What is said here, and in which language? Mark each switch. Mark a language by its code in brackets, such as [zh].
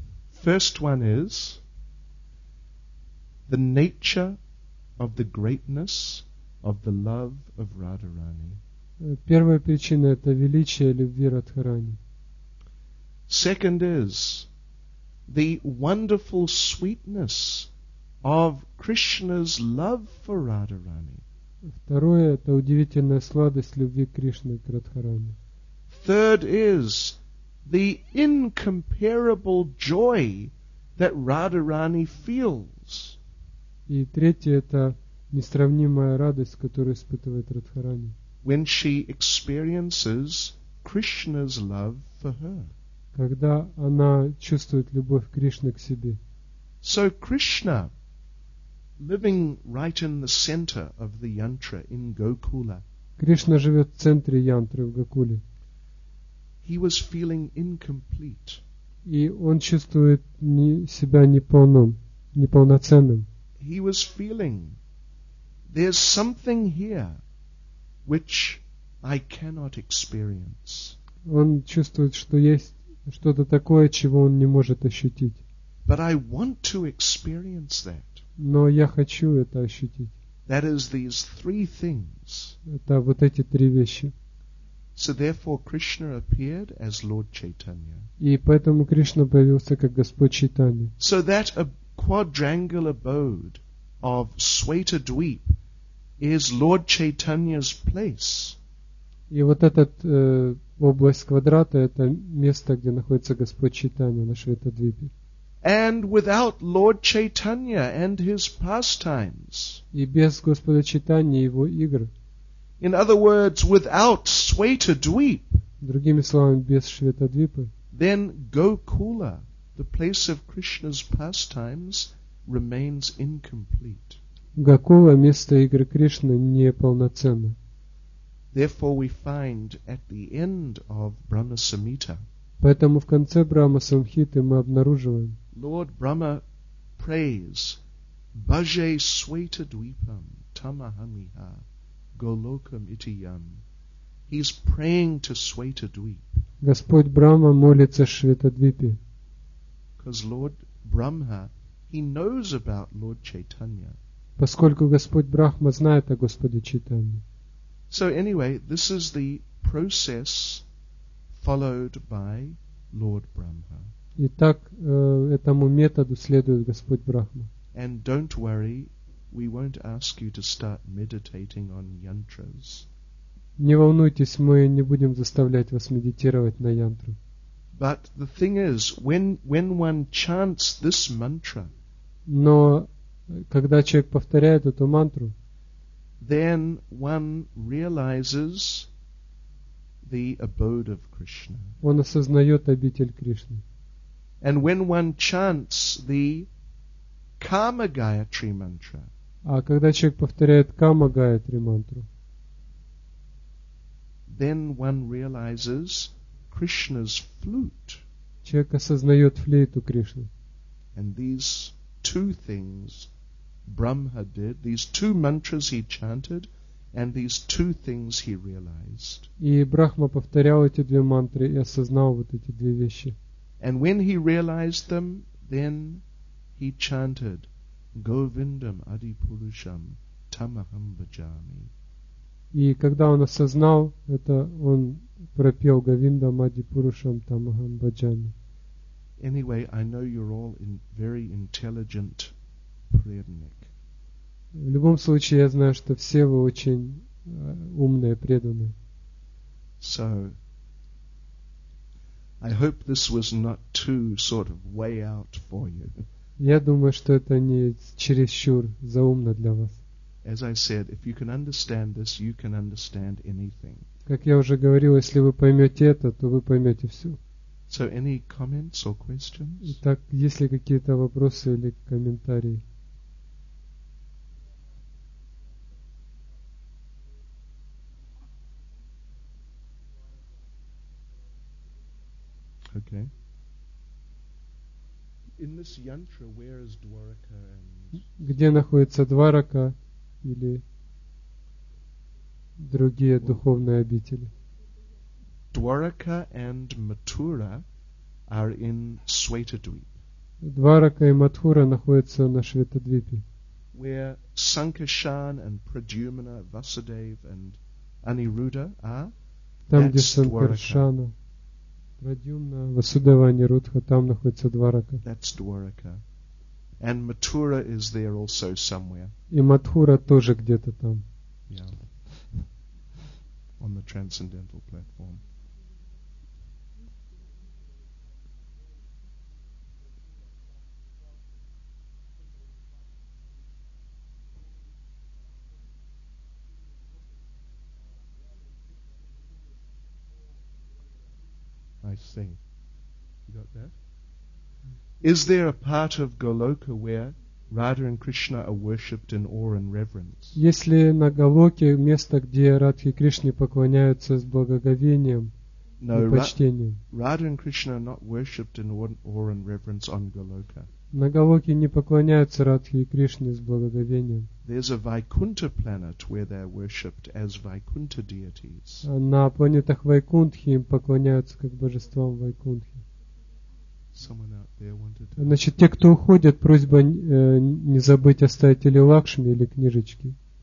[en] First one is the nature of the greatness of the love of Radharani. [ru] Первая причина – это величие любви Радхарани. [en] Second is the wonderful sweetness of Krishna's love for Radharani. [ru] Второе – это удивительная сладость любви Кришны к Радхарани. [en] Third is the incomparable joy that Radharani feels. [ru] И третье – это несравнимая радость, которую испытывает Радхарани. [en] When she experiences Krishna's love for her. [ru] Когда она чувствует любовь Кришны к себе. [en] So Krishna, living right in the center of the yantra in Gokula. [ru] Кришна живет в центре янтры в Гокуле. [en] He was feeling incomplete. [ru] И он чувствует себя неполным, неполноценным. [en] He was feeling there's something here which I cannot experience. [ru] Он чувствует, что есть что-то такое, чего он не может ощутить. [en] But I want to experience that. [ru] Но я хочу это ощутить. [en] That is these three things. [ru] Это вот эти три вещи. [en] So therefore Krishna appeared as Lord Chaitanya. [ru] И поэтому Кришна появился как Господь Чайтанья. [en] So that a quadrangle abode of Swetha Dweep is Lord Chaitanya's place. [ru] И вот этот область квадрата это место, где находится Господь Чайтанья на Швета Двипе. [en] And without Lord Chaitanya and his pastimes. [ru] И без Господа Чайтаньи и его игр. [en] In other words, without Swetha Dweep. [ru] Другими словами, без Швета Двипа. [en] Then Gokula, the place of Krishna's pastimes, remains incomplete. [ru] Гокула, место игр Кришны, неполноценно. [en] Therefore we find at the end of Brahma Samhita. [ru] Поэтому в конце Брахма Самхиты мы обнаруживаем. [en] Lord Brahma prays [sa] Bhaje Swetha Dweepam Tamahamiha Golokam Itiyam. [en] He's praying to Swetha Dweep. [ru] Господь Брахма молится Швета Двипе. [en] Because Lord Brahma, he knows about Lord Chaitanya. [ru] Поскольку Господь Брахма знает о Господе Чайтанье. [en] So anyway, this is the process followed by Lord Brahma. [ru] Итак, этому методу следует Господь Брахма. [en] And don't worry, we won't ask you to start meditating on yantras. [ru] Не волнуйтесь, мы не будем заставлять вас медитировать на янтру. [en] But the thing is, when one chants this mantra, [ru] но когда человек повторяет эту мантру, [en] then one realizes the abode of Krishna. [ru] Он осознает обитель Кришны. [en] And when one chants the Kama Gayatri mantra, [ru] а когда человек повторяет Kama Gayatri mantra, [en] then one realizes Krishna's flute. [ru] Человек осознает флейту Кришны. [en] And these two things Brahma did, these two mantras he chanted, and these two things he realized. [ru] И Брахма повторял эти две мантры и осознал вот эти две вещи. [en] And when he realized them, then he chanted, [sa] Govindam Adipurusham Tamaham Bhajami. [ru] И когда он осознал это, он пропел [sa] Говиндам Адипурушам Тамахам Бхаджами. [en] Anyway, I know you're all in very intelligent преданник. [ru] В любом случае, я знаю, что все вы очень умные преданные. [en] So I hope this was not too sort of way out for you. [ru] Я думаю, что это не чересчур заумно для вас. [en] As I said, if you can understand this, you can understand anything. [ru] Как я уже говорил, если вы поймете это, то вы поймете все. [en] So any comments or questions? [ru] Итак, есть ли какие-то вопросы или комментарии? [en] Okay. In this yantra, where is Dwaraka and? [ru] Где находится Дварака или другие духовные обители. [en] Dwaraka and Mathura are in Swetadweep. [ru] Dwaraka и Матхура находятся на Шветадвипе. [en] Where Sankarshan and Pradyumna, Vasudev and Aniruddha are. [ru] Там, где Санкаршана, Прадьюмна, Васудева, Анирудха, там находится Дварака. [en] That's Dwaraka. And Mathura is there also somewhere. [ru] И Матхура тоже где-то там. [en] Yeah. On the transcendental platform. I see. You got that? Is there a part of Goloka where Radha and Krishna are worshipped in awe and reverence? [ru] Если на Голоке место, где Радха и Кришна поклоняются с благоговением и почтением. [en] No, Radha and Krishna are not worshipped in awe and reverence on Goloka. [ru] На Голоке не поклоняются Радха и Кришна с благоговением. [en] There's a Vaikuntha planet where they're worshipped as Vaikuntha deities. [ru] На планетах Вайкунтхи им поклоняются как божествам Вайкунтхи. [en] Someone out there wanted to. [ru] Значит, те, кто уходят, просьба не забыть оставить или лакшми, или книжечки.